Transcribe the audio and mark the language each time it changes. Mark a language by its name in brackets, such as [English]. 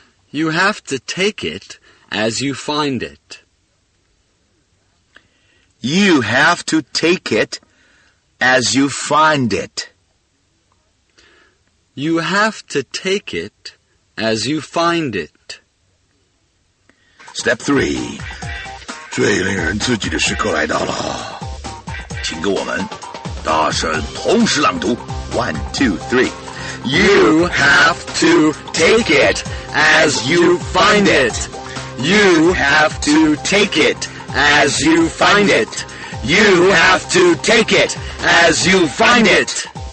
[English] You have to take it as you find it. You have to take it as you find it. You have to take it as you find it. Step 3. [Chinese] 最令人刺激的时刻来到了。请给我们大声同时朗读。 [English] One, two, three. You have to take it as you find it. You have to take it as you find it. You have to take it as you find it.